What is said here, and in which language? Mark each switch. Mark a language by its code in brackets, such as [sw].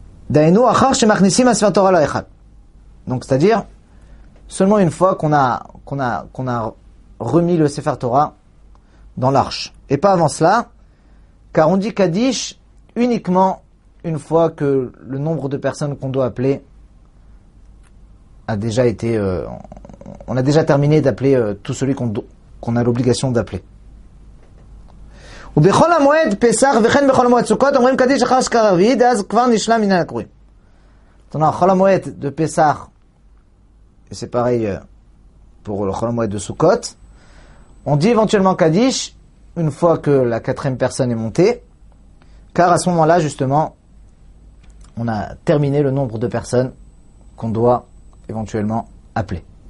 [he] Da'enu achar shemachnisim asfer Torah la'echad. [fr] Donc c'est-à-dire seulement une fois qu'on a remis le Sefer Torah dans l'arche. Et pas avant cela, car on dit Kaddish uniquement une fois que le nombre de personnes qu'on doit appeler a déjà été... On a déjà terminé d'appeler tout celui qu'on a l'obligation d'appeler. [he] ובכל המועד פסח וכן בכל המועד סוכות אומרים קדיש אחר שקרבית אז כבר נשלם מן הקרויים. [fr] Donc בכל המועד de Pesach, et c'est pareil pour le bechol ha-moed de Sukkot, on dit éventuellement Kaddish une fois que la quatrième personne est montée, car à ce moment-là justement on a terminé le nombre de personnes qu'on doit éventuellement appeler.